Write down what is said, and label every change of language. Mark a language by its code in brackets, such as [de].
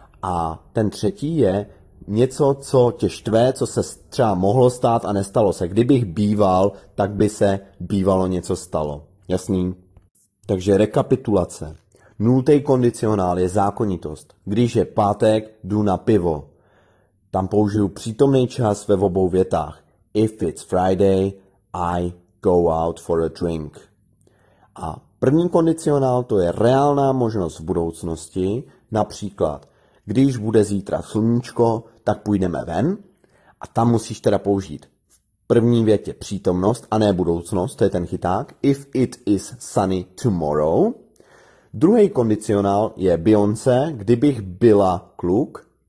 [cs] A ten třetí je něco, co tě štve, co se třeba mohlo stát a nestalo se. Kdybych býval, tak by se bývalo něco stalo. Jasný? Takže rekapitulace. Nultý kondicionál je zákonitost. Když je pátek, jdu na pivo. Tam použiju přítomný čas ve obou větách. [en] If it's Friday, I go out for a drink. [cs] A první kondicionál to je reálná možnost v budoucnosti. Například, když bude zítra sluníčko, tak půjdeme ven. A tam musíš teda použít v první větě přítomnost a ne budoucnost, to je ten chyták. [en] If it is sunny tomorrow. [cs] Druhý kondicionál je Beyoncé, kdybych byla kluk.